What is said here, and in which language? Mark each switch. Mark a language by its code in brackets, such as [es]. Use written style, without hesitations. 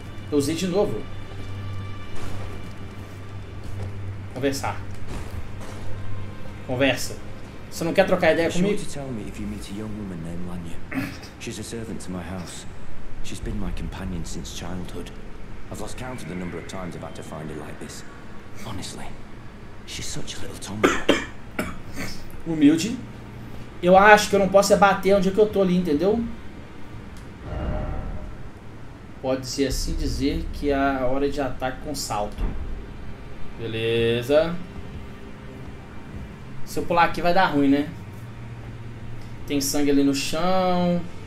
[pt] Eu usei de novo. Conversar. Conversa. Você não quer trocar ideia comigo? Você pode me dizer se você encontra uma mulher chamada Lanya. Ela é uma servente da minha casa. Ela tem sido minha companhia desde a infância. [en] I've lost count of the number of times I've had to find her like this. Honestly, she's such a little tomboy. [pt] Humilde. Eu acho que eu não posso bater onde é que eu tô ali, entendeu? Pode-se assim dizer que é a hora de ataque com salto. Beleza. Se eu pular aqui vai dar ruim, né? Tem sangue ali no chão.